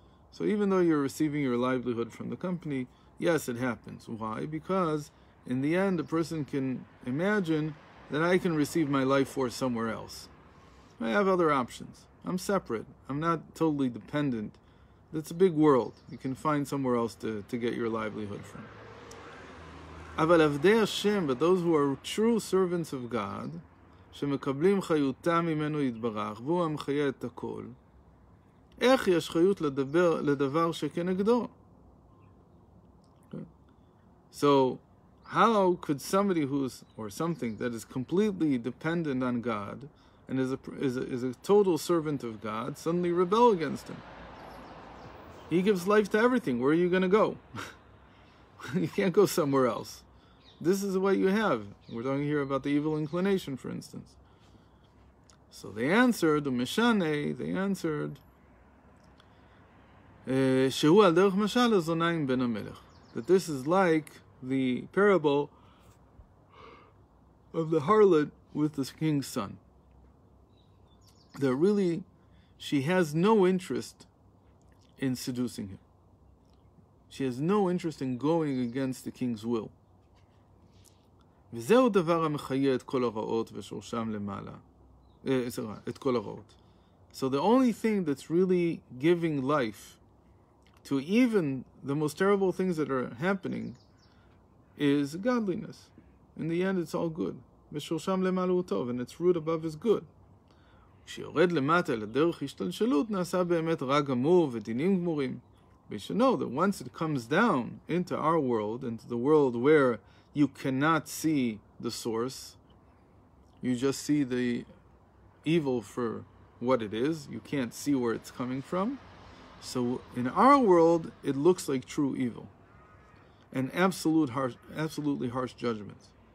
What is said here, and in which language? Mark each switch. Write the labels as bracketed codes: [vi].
[en] So even though you're receiving your livelihood from the company, yes, it happens. Why? Because in the end, a person can imagine that I can receive my life force somewhere else. I have other options. I'm separate. I'm not totally dependent. It's a big world. You can find somewhere else to get your livelihood from. [he] אבל עבדי השם, [en] but those who are true servants of God, [he] שמקבלים חיותם ממנו יתברך, והוא המחיה את הכל, איך יש חיות לדבר שכנגדו? [en] So, how could somebody who's, or something that is completely dependent on God, and is a total servant of God, suddenly rebel against him? He gives life to everything. Where are you going to go? You can't go somewhere else. This is what you have. We're talking here about the evil inclination, for instance. So they answered, [he] Umeshane, [en] they answered, [he] Shehu al derech mashal azonayim ben amelech. [en] That this is like the parable of the harlot with the king's son. That really, she has no interest in seducing him. She has no interest in going against the king's will. [he] וזהו דבר המחיה את כל הרעות ושורשם למעלה. את כל הרעות. [en] So the only thing that's really giving life to even the most terrible things that are happening is godliness. In the end, it's all good. [he] ושורשם למעלה הוא טוב, [en] and its root above is good. [he] כשיורד למטה לדרך השתלשלות, נעשה באמת רע גמור ודינים גמורים. [en] We should know that once it comes down into our world, into the world where you cannot see the source, you just see the evil for what it is, you can't see where it's coming from. So in our world, it looks like true evil and absolutely harsh judgments.